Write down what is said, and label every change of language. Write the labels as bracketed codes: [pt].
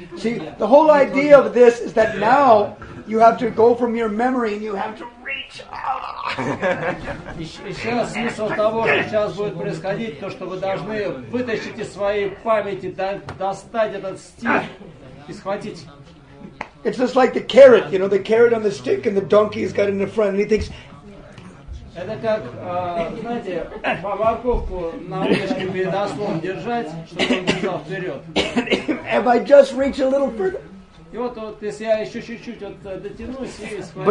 [en] See, the whole idea of this is that now you have to go from your memory and you have to reach out. [ru] И сейчас смысл того, что сейчас будет происходить, то, что вы должны вытащить из своей памяти, достать этот стих и схватить. [en] It's just like the carrot, you know, the carrot on the stick and the donkey has got it in the front and he thinks... [ru] Это как, знаете, по морковку на удочке перед ослом держать, чтобы он бежал вперед. [en] Have I just reached a little further? [ru] И вот, вот если я еще чуть-чуть вот дотянусь и схвачу.